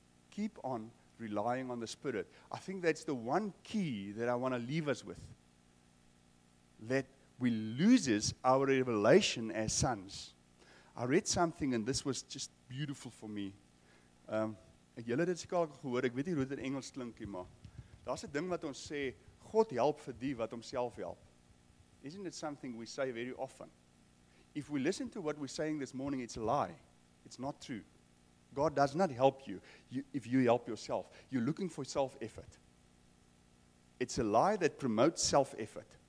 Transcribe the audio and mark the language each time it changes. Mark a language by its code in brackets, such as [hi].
[en] Keep on relying on the Spirit. I think that's the one key that I want to leave us with. That we lose our revelation as sons. I read something and this was just beautiful for me. [af] Julle het seker al gehoor, ek weet nie hoe dit in Engels klink nie, maar daar's 'n ding wat ons sê, God help vir die wat homself help. [en] Isn't it something we say very often? If we listen to what we're saying this morning, it's a lie. It's not true. God does not help you, if you help yourself. You're looking for self-effort. It's a lie that promotes self-effort.